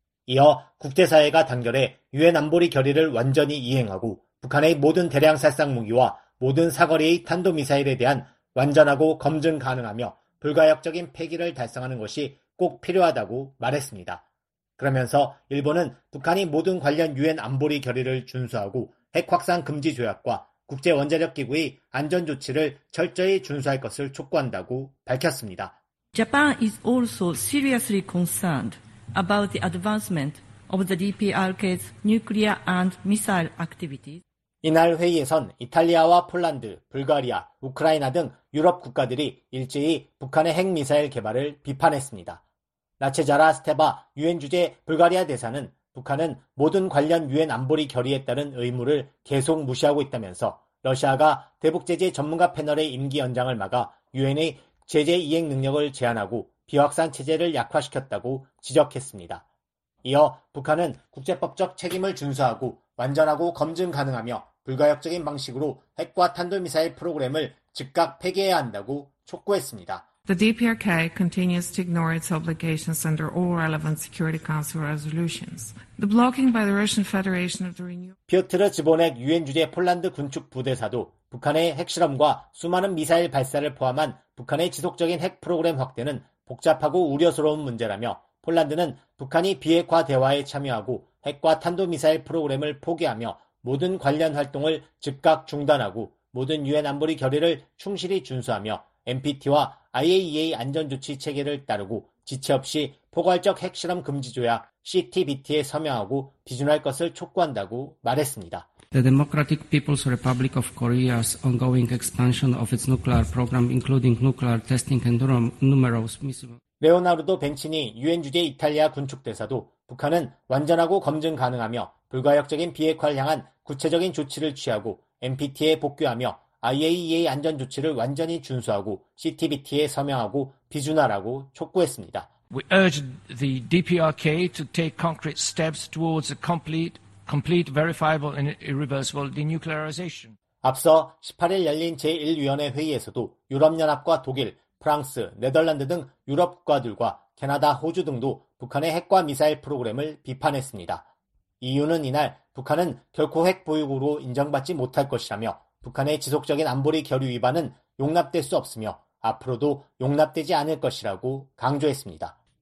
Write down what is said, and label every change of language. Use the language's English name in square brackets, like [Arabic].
[Korean] 이어 국제사회가 단결해 유엔 안보리 결의를 완전히 이행하고 북한의 모든 대량살상 무기와 모든 사거리의 탄도미사일에 대한 완전하고 검증 가능하며 불가역적인 폐기를 달성하는 것이 꼭 필요하다고 말했습니다. 그러면서 일본은 북한이 모든 관련 유엔 안보리 결의를 준수하고 핵확산 금지 조약과 국제원자력기구의 안전조치를 철저히 준수할 것을 촉구한다고 밝혔습니다. [English] Japan is also seriously concerned about the advancement of the DPRK's nuclear and missile activities. [Korean] 이날 회의에선 이탈리아와 폴란드, 불가리아, 우크라이나 등 유럽 국가들이 일제히 북한의 핵미사일 개발을 비판했습니다. 라체자라 스테바 유엔 주재 불가리아 대사는 북한은 모든 관련 유엔 안보리 결의에 따른 의무를 계속 무시하고 있다면서 러시아가 대북 제재 전문가 패널의 임기 연장을 막아 유엔의 제재 이행 능력을 제한하고 비확산 체제를 약화시켰다고 지적했습니다. 이어 북한은 국제법적 책임을 준수하고 완전하고 검증 가능하며 불가역적인 방식으로 핵과 탄도미사일 프로그램을 즉각 폐기해야 한다고 촉구했습니다. [English] The DPRK continues to ignore its obligations under all relevant Security Council resolutions. The blocking by the Russian Federation of the Renewal. [Korean] 피어트르 지보넥 유엔 주재 폴란드 군축 부대사도 북한의 핵실험과 수많은 미사일 발사를 포함한 북한의 지속적인 핵 프로그램 확대는 복잡하고 우려스러운 문제라며 폴란드는 북한이 비핵화 대화에 참여하고 핵과 탄도미사일 프로그램을 포기하며 모든 관련 활동을 즉각 중단하고 모든 유엔 안보리 결의를 충실히 준수하며 NPT와 IAEA 안전조치 체계를 따르고 지체 없이 포괄적 핵실험 금지조약 CTBT에 서명하고 비준할 것을 촉구한다고 말했습니다. [English] The Democratic People's Republic of Korea's ongoing expansion of its nuclear program, including nuclear testing and numerous missiles. [Korean] 레오나르도 벤치니 유엔 주재 이탈리아 군축대사도 북한은 완전하고 검증 가능하며 불가역적인 비핵화를 향한 구체적인 조치를 취하고 NPT에 복귀하며 IAEA 안전조치를 완전히 준수하고 CTBT에 서명하고 비준하라고 촉구했습니다. [English] We urge the DPRK to take concrete steps towards a complete, verifiable and irreversible denuclearization. [Korean] 앞서 18일 열린 제1위원회 회의에서도 유럽연합과 독일, 프랑스, 네덜란드 등 유럽 국가들과 캐나다, 호주 등도 북한의 핵과 미사일 프로그램을 비판했습니다. 이유는 이날 북한은 결코 핵 보유국으로 인정받지 못할 것이라며 북한의 지속적인 안보리 결의 위반은 용납될 수 없으며 앞으로도 용납되지 않을 것이라고 강조했습니다.